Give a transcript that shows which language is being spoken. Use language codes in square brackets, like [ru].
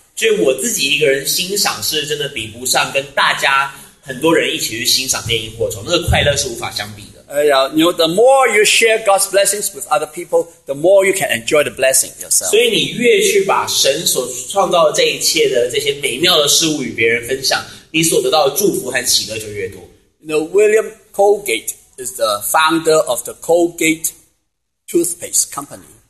[zh] 所以我自己一个人欣赏是真的比不上跟大家很多人一起去欣赏这些萤火虫，那个快乐是无法相比的。 [en] 哎呀 ，you know, the more you share God's blessings with other people, the more you can enjoy the blessing yourself. [zh] 所以你越去把神所创造的这一切的这些美妙的事物与别人分享，你所得到的祝福和喜乐就越多。 [en] You know, William Colgate is the founder of the Colgate Toothpaste Company.